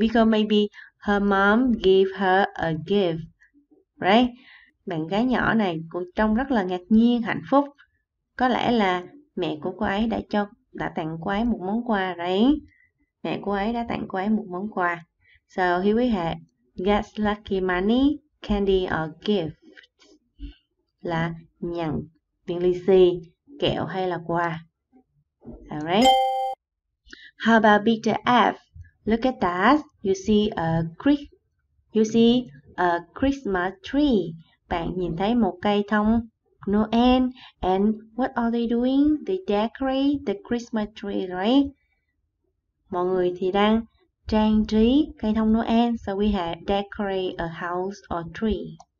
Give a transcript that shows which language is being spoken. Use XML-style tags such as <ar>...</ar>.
<en>Because maybe her mom gave her a gift, right?</en> <vi>Bạn gái nhỏ này cũng trông rất là ngạc nhiên, hạnh phúc. Có lẽ là mẹ của cô ấy đã tặng cô ấy một món quà, right? Mẹ cô ấy đã tặng cô ấy một món quà.</vi> <en>So here we have get lucky money, candy or gift,</en> <vi>là nhận tiền lì xì, kẹo hay là quà.</vi> <en>Alright. How about bitter F? Look at that. You see a Christmas tree.</en> <vi>Bạn nhìn thấy một cây thông Noel,</vi> <en>and what are they doing? They decorate the Christmas tree, right?</en> <vi>Mọi người thì đang trang trí cây thông Noel,</vi> <en>so we have decorate a house or tree.</en>